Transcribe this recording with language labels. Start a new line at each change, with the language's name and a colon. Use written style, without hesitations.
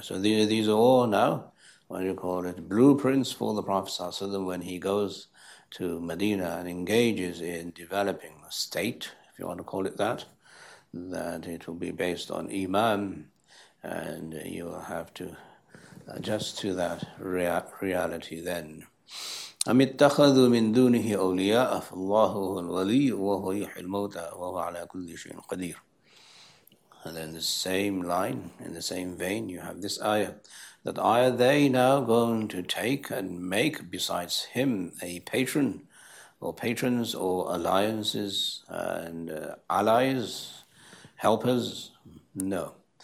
English: So these are all now, what do you call it, blueprints for the Prophet sallallahu alaihi wasallam when he goes to Medina and engages in developing a state, if you want to call it that. That it will be based on iman, and you will have to adjust to that reality then.
Arabic: أم اتخذوا من دونه أولياء فالله هو الولي وهو يحيي الموتى وهو على كل شيء قدير.
English: And in the same line, in the same vein, you have this ayah. That are they now going to take and make besides him a patron or patrons or alliances and allies, helpers? No.